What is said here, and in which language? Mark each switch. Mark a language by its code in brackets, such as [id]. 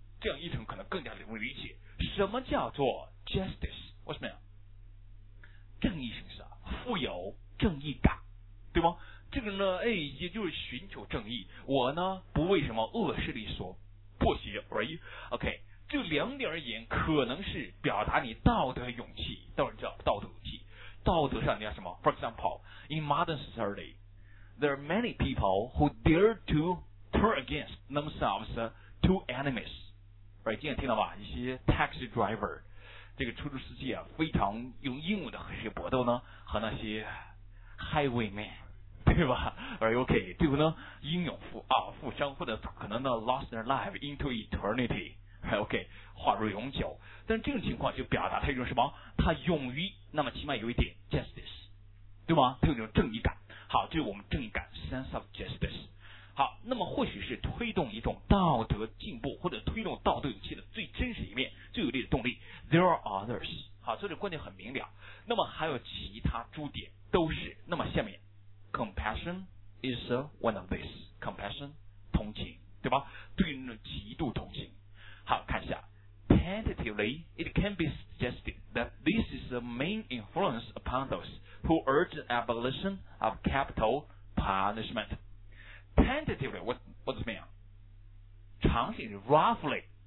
[zh] 这样一层可能更加容易理解，什么叫做 justice？ 为什么呀？正义是什么？富有正义感，对吗？这个人呢，哎，也就是寻求正义，我呢不为什么恶势力所迫胁而已。 OK， 这两点而言可能是表达你道德勇气，当然叫道德勇气，道德上你要什么。 [en] For example, in modern society there are many people who dare to turn against themselves to enemies。 [zh] right, 今天听到吧，一些 taxi driver 这个出租司机啊，非常用英文的和谁搏斗呢，和那些 highwaymen，对吧？ Right, OK， 最后呢英勇负啊负伤，或者可能呢 [en] lost their life into eternity， [zh] right, OK， 化入永久。但这种情况就表达他一种什么，他勇于，那么起码有一点 justice， 对吗？他有一种正义感。好，这是我们正义感 sense of justice。好，那么或许是推动一种道德进步或者推动道德勇气的最真实一面，最有力的动力。 [en] There are others。 [zh] 好，这里观点很明了。那么还有其他诸点都是，那么下面 [en] Compassion is one of these. [zh] Compassion, 同情，对吧？对人的极度同情。好，看一下。 [en] Tentatively, it can be suggested that this is the main influence upon those who urge abolition of capital punishment. Tentatively, what does it mean? [zh] 常见 [en] roughly,